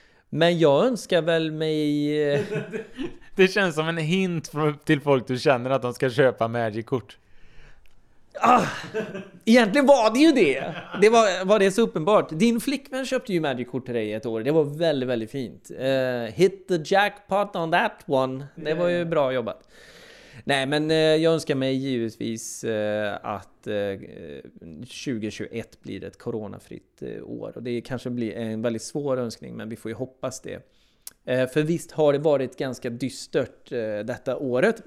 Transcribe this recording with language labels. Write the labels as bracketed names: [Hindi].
[Swedish] Men jag önskar väl mig... Det känns som en hint till folk du känner att de ska köpa Magic-kort. Ah, egentligen var det ju det. Det var det så uppenbart. Din flickvän köpte ju Magic-kort till dig ett år. Det var väldigt, väldigt fint. [English] Hit the jackpot on that one. [Swedish] Det var ju bra jobbat. Nej, men jag önskar mig givetvis att 2021 blir ett coronafritt år. Och det kanske blir en väldigt svår önskning, men vi får ju hoppas det. För visst har det varit ganska dystert detta året.